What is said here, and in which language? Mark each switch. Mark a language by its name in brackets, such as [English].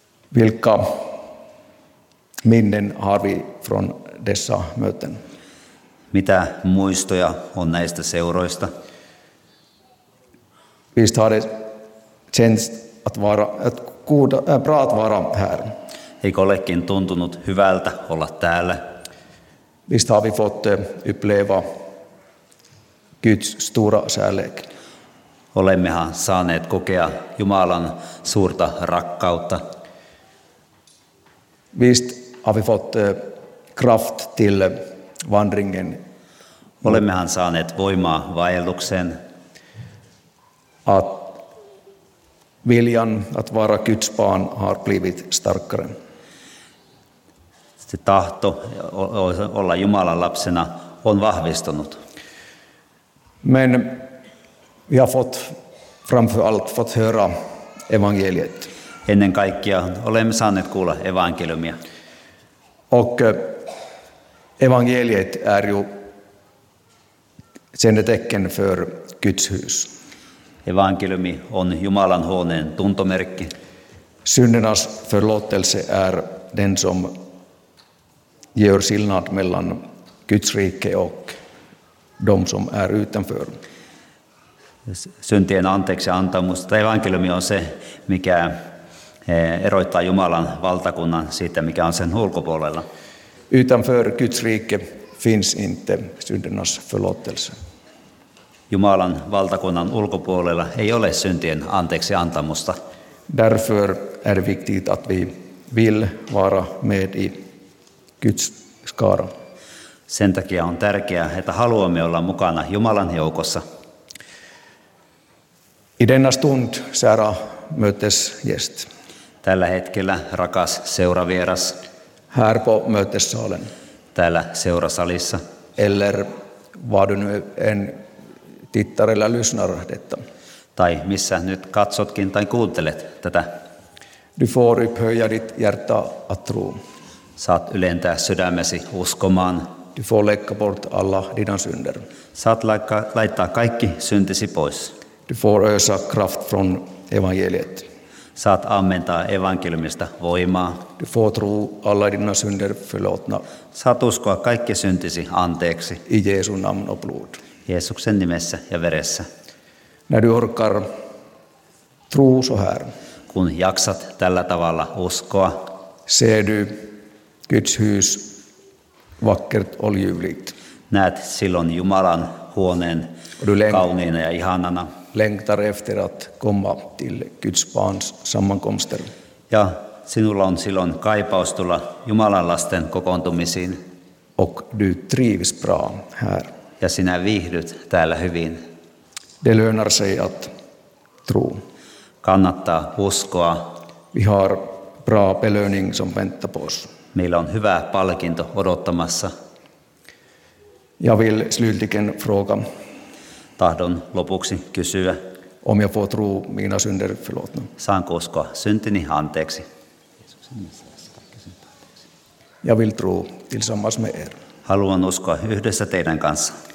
[Swedish] Vilka minnen har vi från dessa möten? [Finnish] Mitä muistoja on näistä seuroista? [Swedish] Visst har det känts att vara att goda prat vara här. [Finnish] Eikö olekin tuntunut hyvältä olla täällä? [Swedish] Visst har vi fått uppleva Guds stora kärlek. [Finnish] Olemmehan saaneet kokea Jumalan suurta rakkautta. [Swedish] Visst har vi fått kraft till vandringen. [Finnish] Olemmehan saaneet voimaa vaellukseen. [Swedish] Att viljan att vara Guds barn har blivit starkare. [Finnish] Se tahto olla Jumalan lapsena on vahvistunut. [Swedish] Men vi har fått framför allt fått höra evangeliet. [Finnish] Ennen kaikkea olemme saaneet kuulla evankeliumia. [Swedish] Och evangeliet är ju sen tecken för Guds hus. [Finnish] Evankeliumi on Jumalan huoneen tuntomerkki. [Swedish] Syndernas förlåtelse är den som gör skillnad mellan Guds rike och de som är utanför. [Finnish] Syntien anteeksi antamus, tai evankeliumi on se, mikä eroittaa Jumalan valtakunnan siitä, mikä on sen ulkopuolella. [Swedish] Utanför Guds rike finns inte syndernas förlåtelse. [Finnish] Jumalan valtakunnan ulkopuolella ei ole syntien anteeksi antamusta. [Swedish] Därför är det viktigt att vi vill vara med i Guds skara. [Finnish] Sen takia on tärkeää, että haluamme olla mukana Jumalan joukossa. [Swedish] I denna stund, kära mötes gäst. [Finnish] Tällä hetkellä, rakas seuravieras. [Swedish] Här på mötessalen. [Finnish] Täällä seurasalissa. [Swedish] Eller vad du nu en tittar eller lyssnar detta. [Finnish] Tai missä nyt katsotkin tai kuuntelet tätä. [Swedish] Du får upphöja ditt hjärta att tro. [Finnish] Saat ylentää sydämesi uskomaan. [Swedish] Du får lägga bort alla dina synder. [Finnish] Saat laittaa kaikki syntisi pois. [Swedish] Du får ösa kraft från evangeliet. [Finnish] Saat ammentaa evankeliumista voimaa. [Swedish] Du får tro alla dina synder förlåtna. [Finnish] Saat uskoa kaikki syntisi anteeksi. [Swedish] I Jesu namn och blod. [Finnish] Jeesuksen nimessä ja veressä. [Swedish] När du orkar tro så här. [Finnish] Kun jaksat tällä tavalla uskoa. [Swedish] Ser du Guds hus vackert och ljuvligt. [Finnish] Näet silloin Jumalan huoneen kauniina ja ihanana. [Swedish] Längtar efter att komma till Guds barns sammankomster. [Finnish] Ja sinulla on silloin kaipaus tulla Jumalan lasten kokoontumisiin. [Swedish] Och du trivs bra här. [Finnish] Ja sinä viihdyt täällä hyvin. [Swedish] Det lönar sig att tro. [Finnish] Kannattaa uskoa. [Swedish] Vi har bra belöning som väntar på oss. [Finnish] Meillä on hyvä palkinto odottamassa. [Swedish] Ja vill slutligen fråga. [Finnish] Tahdon lopuksi kysyä. [Swedish] Om jag får tro mina synder förlåtna. [Finnish] Saanko uskoa syntini anteeksi? [Swedish] Ja vill tro tillsammans med er. [Finnish] Haluan uskoa yhdessä teidän kanssa.